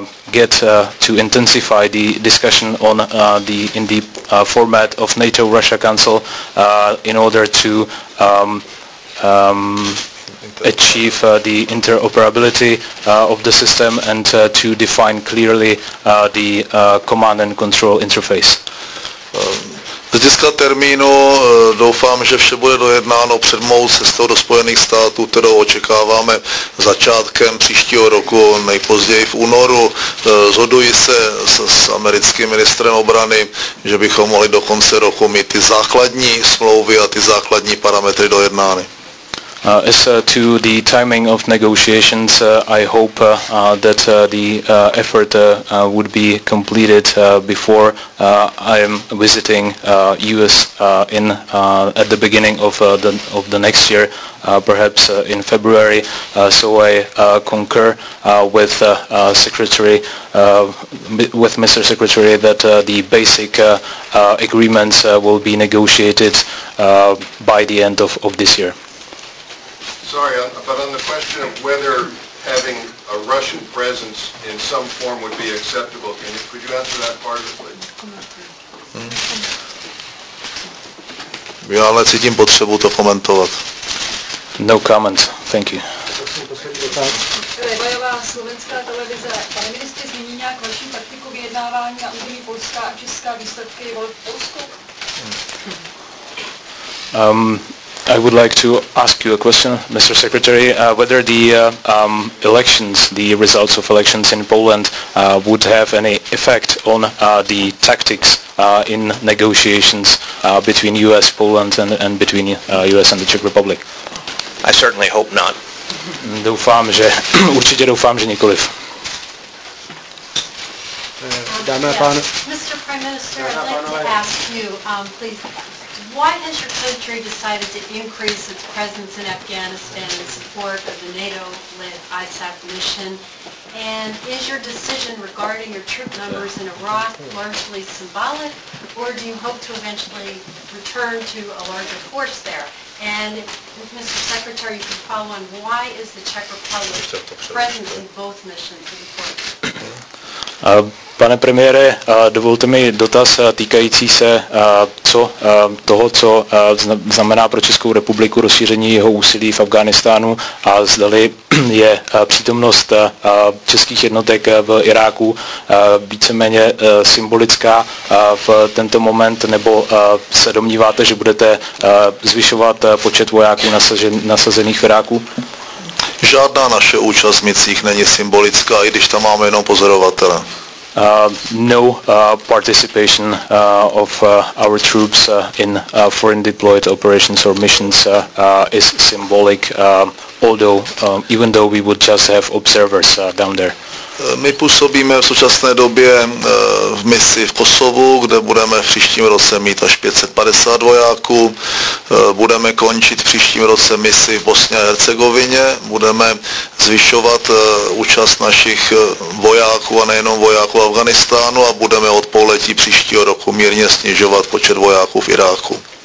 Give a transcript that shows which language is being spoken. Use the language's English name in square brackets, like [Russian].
[English] get to intensify the discussion on in the format of NATO-Russia Council in order to achieve the interoperability of the system and to define clearly the command and control interface. [Czech] Z hlediska termínu doufám, že vše bude dojednáno před mou cestou do Spojených států, kterou očekáváme začátkem příštího roku, nejpozději v únoru. Zhoduji se s americkým ministrem obrany, že bychom mohli do konce roku mít ty základní smlouvy a ty základní parametry dojednány. [English] As to the timing of negotiations, I hope that the effort would be completed before I am visiting U.S. In at the beginning of the next year, perhaps in February. So I concur with Secretary, with Mr. Secretary, that the basic agreements will be negotiated by the end of this year. Sorry, but on the question of whether having a Russian presence in some form would be acceptable, can you, could you answer that part of it, please? Mm. [Czech] Já ale cítím potřebu to komentovat. [English] No comments, thank you. [Czech] Bojová slovenská televize. Pane ministře, zmíní nějak vaši taktiku vyjednávání na území Polska a Česká výsledky voleb v Polsku? [English] I would like to ask you a question, Mr. Secretary, whether the elections, the results of elections in Poland would have any effect on the tactics in negotiations between U.S., Poland and between U.S. and the Czech Republic. I certainly hope not. [Czech] Doufám, že, určitě doufám, že nikoliv. Dámy a pánové. [English] Mr. Prime Minister, I'd like to ask you, please. Why has your country decided to increase its presence in Afghanistan in support of the NATO-led ISAF mission? And is your decision regarding your troop numbers in Iraq largely symbolic, or do you hope to eventually return to a larger force there? And if Mr. Secretary, you can follow on, why is the Czech Republic present in both missions in support? [Czech] Pane premiére, dovolte mi dotaz týkající se toho, co znamená pro Českou republiku rozšíření jeho úsilí v Afghánistánu a zdali je přítomnost českých jednotek v Iráku víceméně symbolická v tento moment, nebo se domníváte, že budete zvyšovat počet vojáků nasazených v Iráku? Žádná naše účast v misích není symbolická, i když tam máme jenom pozorovatele. [English] No participation of our troops in foreign deployed operations or missions is symbolic, although even though we would just have observers down there. [Czech] My působíme v současné době v misi v Kosovu, kde budeme v příštím roce mít až 550 vojáků. Budeme končit v příštím roce misi v Bosně a Hercegovině. Budeme zvyšovat účast našich vojáků a nejenom vojáků v Afghánistánu a budeme od pouletí příštího roku mírně snižovat počet vojáků v Iráku.